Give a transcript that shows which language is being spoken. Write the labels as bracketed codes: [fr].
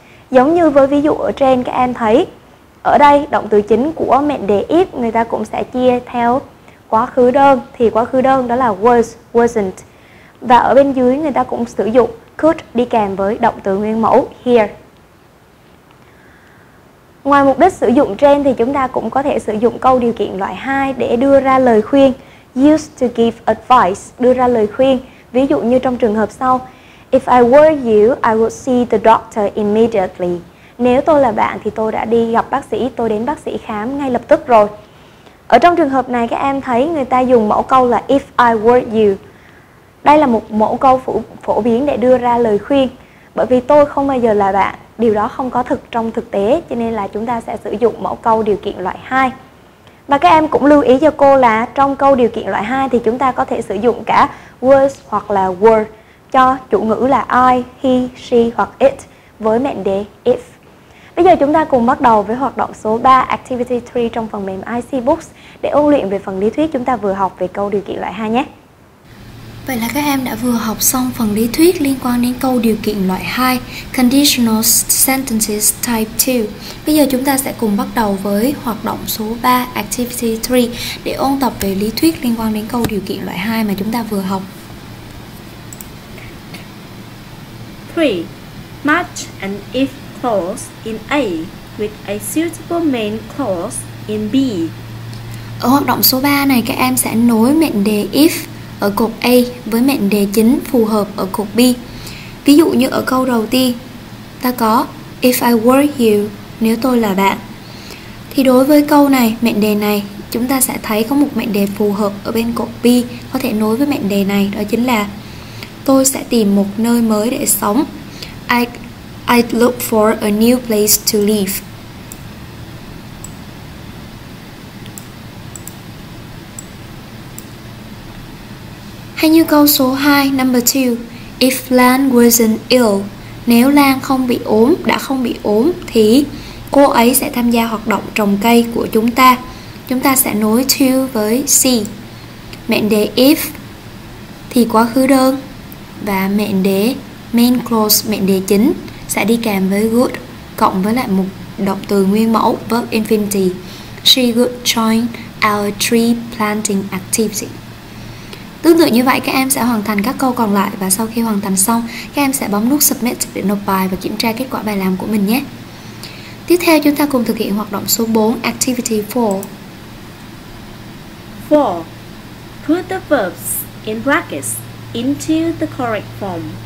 [vi] Giống như với ví dụ ở trên, các em thấy ở đây động từ chính của mệnh đề if người ta cũng sẽ chia theo quá khứ đơn, thì quá khứ đơn đó là was, wasn't. Và ở bên dưới người ta cũng sử dụng could đi kèm với động từ nguyên mẫu here. Ngoài mục đích sử dụng trên thì chúng ta cũng có thể sử dụng câu điều kiện loại 2 để đưa ra lời khuyên. [en] Used to give advice, [vi] đưa ra lời khuyên. Ví dụ như trong trường hợp sau, [en] if I were you, I would see the doctor immediately. [vi] Nếu tôi là bạn thì tôi đã đi gặp bác sĩ, tôi đến bác sĩ khám ngay lập tức rồi. Ở trong trường hợp này các em thấy người ta dùng mẫu câu là [en] if I were you. [vi] Đây là một mẫu câu phổ biến để đưa ra lời khuyên. Bởi vì tôi không bao giờ là bạn, điều đó không có thực trong thực tế, cho nên là chúng ta sẽ sử dụng mẫu câu điều kiện loại 2. Và các em cũng lưu ý cho cô là trong câu điều kiện loại 2 thì chúng ta có thể sử dụng cả was hoặc là were cho chủ ngữ là I, he, she hoặc it với mệnh đề if. Bây giờ chúng ta cùng bắt đầu với hoạt động số 3, Activity 3 trong phần mềm IC Books để ôn luyện về phần lý thuyết chúng ta vừa học về câu điều kiện loại 2 nhé. Vậy là các em đã vừa học xong phần lý thuyết liên quan đến câu điều kiện loại 2, Conditional Sentences Type 2. Bây giờ chúng ta sẽ cùng bắt đầu với hoạt động số 3, Activity 3, để ôn tập về lý thuyết liên quan đến câu điều kiện loại 2 mà chúng ta vừa học. 3. [en] Match an if clause in A with a suitable main clause in B. [vi] Ở hoạt động số 3 này, các em sẽ nối mệnh đề if ở cột A với mệnh đề chính phù hợp ở cột B. Ví dụ như ở câu đầu tiên, ta có [en] if I were you, [vi] nếu tôi là bạn. Thì đối với câu này, mệnh đề này, chúng ta sẽ thấy có một mệnh đề phù hợp ở bên cột B có thể nối với mệnh đề này, đó chính là tôi sẽ tìm một nơi mới để sống. [en] I'd look for a new place to live. [vi] Hay như câu số 2, number 2, [en] if Lan wasn't ill, [vi] nếu Lan không bị ốm, đã không bị ốm, thì cô ấy sẽ tham gia hoạt động trồng cây của chúng ta. Chúng ta sẽ nối to với see. Mệnh đề if thì quá khứ đơn, và mệnh đề main clause, mệnh đề chính, sẽ đi kèm với good, cộng với lại một động từ nguyên mẫu, verb infinity. [en] She would join our tree planting activity. [vi] Tương tự như vậy, các em sẽ hoàn thành các câu còn lại và sau khi hoàn thành xong, các em sẽ bấm nút Submit để nộp bài và kiểm tra kết quả bài làm của mình nhé. Tiếp theo, chúng ta cùng thực hiện hoạt động số 4, Activity 4. 4. [en] Put the verbs in brackets into the correct form.